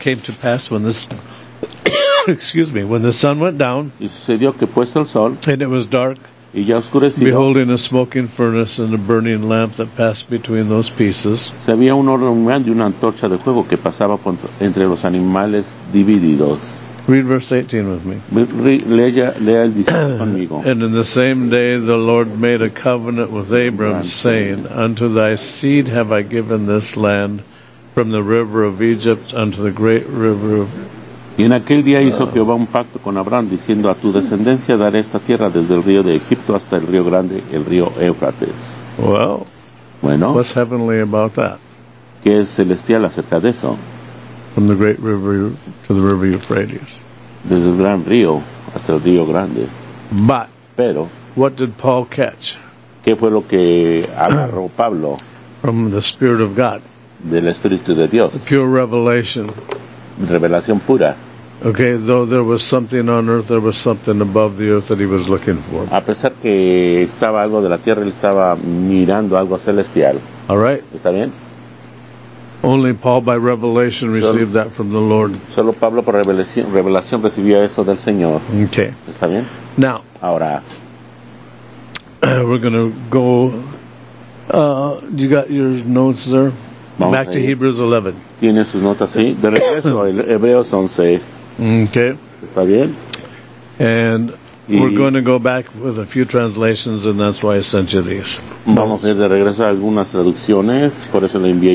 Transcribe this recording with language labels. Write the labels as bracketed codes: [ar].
[en] Came to pass when this, excuse me, when the sun went down, [es] y sucedió que puesto el sol, [en] and it was dark, [es] y ya oscurecido, [en] beholding a smoking furnace and a burning lamp that passed between those pieces. [es] Se había un horno humeante y una antorcha de fuego que pasaba entre los animales divididos. [en] Read verse 18 with me. And in the same day the Lord made a covenant with Abram, saying, unto thy seed have I given this land, from the river of Egypt unto the great river of... [es] Y en aquel día hizo Jehová un pacto con Abraham, diciendo, a tu descendencia daré esta tierra desde el río de Egipto hasta el río grande, el río Éufrates. [en] Well, [es] bueno, [en] what's heavenly about that? [es] ¿Qué es celestial acerca de eso? [en] From the great river to the river Euphrates. [es] Desde el gran río hasta el río grande. [en] But, [es] pero, [en] what did Paul catch? [es] ¿Qué fue lo que agarró Pablo? [en] From the Spirit of God. [es] Del Espíritu de Dios. [en] The pure revelation. [es] Revelación pura. [en] Okay, though there was something on earth, there was something above the earth that he was looking for. [es] A pesar que estaba algo de la tierra, él estaba mirando algo celestial. [en] All right. [es] ¿Está bien? [en] Only Paul by revelation received that from the Lord. [es] Solo Pablo por revelación recibió eso del Señor. [en] Okay. [es] ¿Está bien? [en] Now, [es] ahora, [en] we're going to go, you got your notes there? [es] Vamos [en] back to Hebrews 11. [es] ¿Tiene sus notas ahí? De regreso, Hebreos 11. [en] Okay. [es] ¿Está bien? [en] And we're going to go back with a few translations, and that's why I sent you these. [es] Vamos a ir de regreso a algunas traducciones, por eso le envié